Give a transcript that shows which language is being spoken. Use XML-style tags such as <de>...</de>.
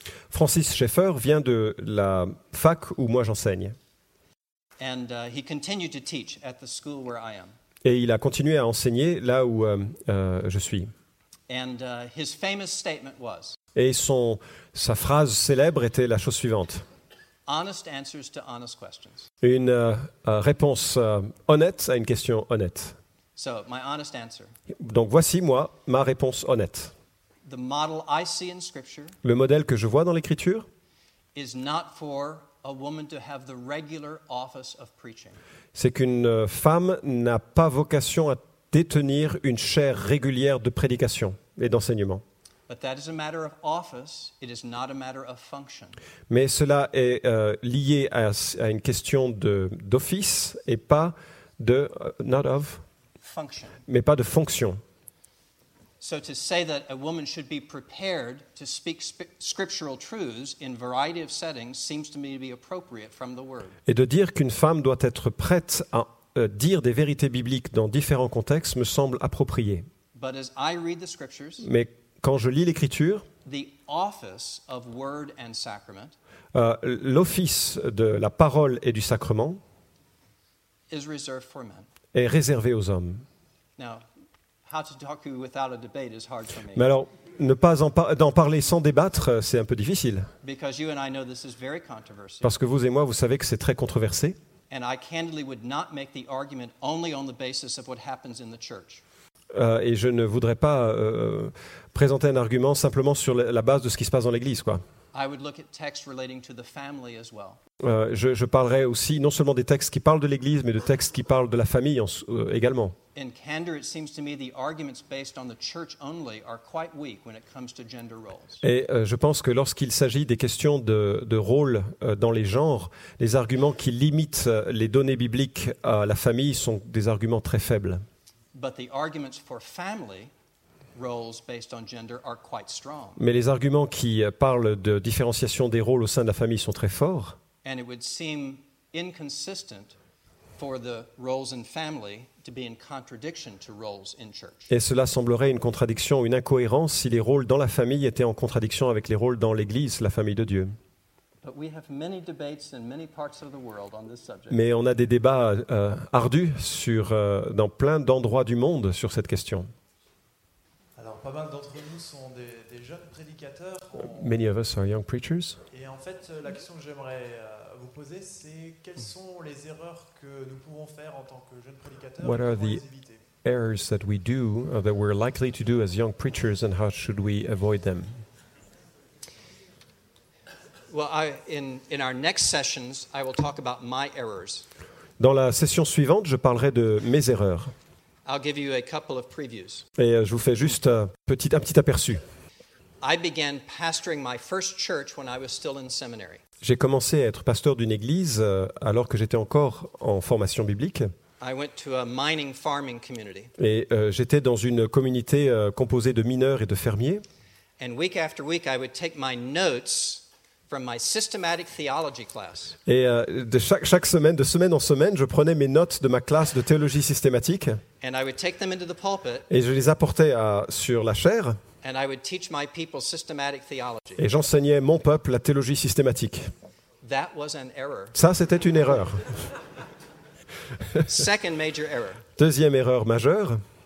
<fr>Francis Schaeffer vient de la fac où moi j'enseigne.</fr> <en>And he continued to teach at the school where I am.</en> <fr>Et il a continué à enseigner là où je suis.</fr> <en>And his famous statement was.</en> <fr>Et sa phrase célèbre était la chose suivante.</fr> <en>Honest answers to honest questions.</en> <fr>Une réponse honnête à une question honnête.</fr> <en>So, my honest answer.</en> <fr>Donc voici moi ma réponse honnête.</fr> <en>The model I see in scripture.</en> <fr>Le modèle que je vois dans l'Écriture.</fr> <en>Is not for a woman to have the regular office of preaching.</en> <fr>C'est qu'une femme n'a pas vocation à détenir une chaire régulière de prédication et d'enseignement.</fr> <en>But that is a matter of office, it is not a matter of function.</en> <fr>Mais cela est lié à une question d'office et pas de</fr> <en>not of function.</en> <fr>Mais pas de fonction.</fr> <en>So to say that a woman should be prepared to speak scriptural truths in variety of settings seems to me to be appropriate from the word.</en> <fr>Et de dire qu'une femme doit être prête à dire des vérités bibliques dans différents contextes me semble approprié.</fr> <en>But as I read the scriptures,</en> <fr>mais quand je lis l'écriture,</fr> <en>the office of word and sacrament,</en> <fr>l'office de la parole et du sacrement</fr> <en>is reserved for men.</en> <fr>Est réservé aux hommes.</fr> <en>Now, how to talk to you without a debate is hard for me.</en> <fr>Mais alors, ne pas d'en parler sans débattre, c'est un peu difficile.</fr> <en>Because you and I know this is very controversial.</en> <fr>Parce que vous et moi, vous savez que c'est très controversé.</fr> <en>And I candidly would not make the argument only on the basis of what happens in the church.</en> <fr>Et je ne voudrais pas présenter un argument simplement sur la base de ce qui se passe dans l'Église, quoi.</fr> <en>I would look at texts relating to the family as well.</en> <fr>Je parlerai aussi non seulement des textes qui parlent de l'Église, mais de textes qui parlent de la famille également.</fr> <en>In candor, it seems to me the arguments based on the church only are quite weak when it comes to gender roles.</en> <fr>Et je pense que lorsqu'il s'agit des questions de rôle dans les genres, les arguments qui limitent les données bibliques à la famille sont des arguments très faibles.</fr> <en>But the arguments for family roles based on gender are quite strong.</en> <fr>Mais les arguments qui parlent de différenciation des rôles au sein de la famille sont très forts.</fr> <en>And it would seem inconsistent for the roles in family to be in contradiction to roles in church.</en> <fr>Et cela semblerait une contradiction, une incohérence si les rôles dans la famille étaient en contradiction avec les rôles dans l'Église, la famille de Dieu.</fr> <en>But we have many debates in many parts of the world on this subject.</en> <fr>Mais on a des débats ardus sur dans plein d'endroits du monde sur cette question. Alors pas mal d'entre nous sont des jeunes prédicateurs.</fr> <en>Many of us are young preachers.</en> <fr>Et en fait la question que j'aimerais vous poser, c'est quelles sont les erreurs que nous pouvons faire en tant que jeunes prédicateurs et comment les éviter?</fr> <en>Errors that we do that we're likely to do as young preachers and how should we avoid them? Well, in our next sessions, I will talk about my errors.</en> <fr>Dans la session suivante, je parlerai de mes erreurs.</fr> <en>I'll give you a couple of previews.</en> <fr>Et je vous fais juste un petit aperçu.</fr> <en>I began pastoring my first church when I was still in seminary.</en> <fr>J'ai commencé à être pasteur d'une église alors que j'étais encore en formation biblique.</fr> <en>I went to a mining farming community.</en> <fr>Et j'étais dans une communauté composée de mineurs et de fermiers.</fr> <en>And week after week, I would take my notes from my systematic theology class.</en> <fr>Et de semaine en semaine, je prenais mes notes de ma classe de théologie systématique.</fr> <en>And I would take them into the pulpit.</en> <fr>Et je les apportais sur la chaire.</fr> <en>And I would teach my people systematic theology.</en> <fr>Et j'enseignais mon peuple la théologie systématique.</fr> <en>That was an error.</en> <fr>Ça, c'était une erreur.</fr> <en>Second major error.</en> <fr>Deuxième erreur majeure.</fr>